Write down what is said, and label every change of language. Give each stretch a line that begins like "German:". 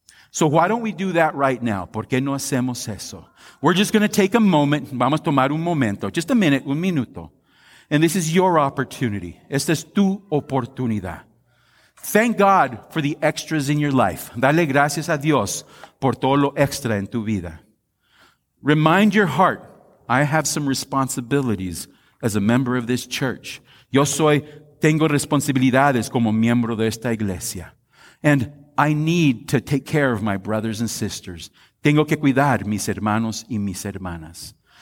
English: So why don't we do that right now?
Spanish: ¿Por qué no hacemos eso?
English: We're just going to take a moment.
Spanish: Vamos a tomar un momento.
English: Just a minute,
Spanish: un minuto.
English: And this is your opportunity.
Spanish: Esta es tu oportunidad.
English: Thank God for the extras in your life.
Spanish: Dale gracias a Dios por todo lo extra en tu vida.
English: Remind your heart, I have some responsibilities as a member of this church.
Spanish: Yo soy, tengo responsabilidades como miembro de esta iglesia.
English: And I need to take care of my brothers and sisters.
Spanish: Tengo que cuidar mis hermanos y mis hermanas.